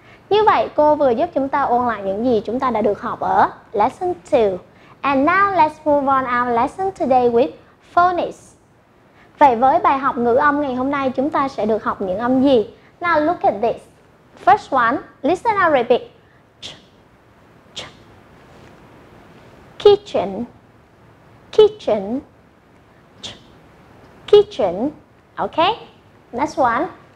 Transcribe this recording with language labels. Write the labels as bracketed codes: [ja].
[vi] Như vậy, cô vừa giúp chúng ta ôn lại những gì chúng ta đã được học ở Lesson 2. [en] And now let's move on our lesson today with phonics. [vi] Vậy với bài học ngữ âm ngày hôm nay chúng ta sẽ được học những âm gì? [en] Now look at this. First one, listen and repeat. Ch, ch. Kitchen. Kitchen. Ch, kitchen. Okay? Next one.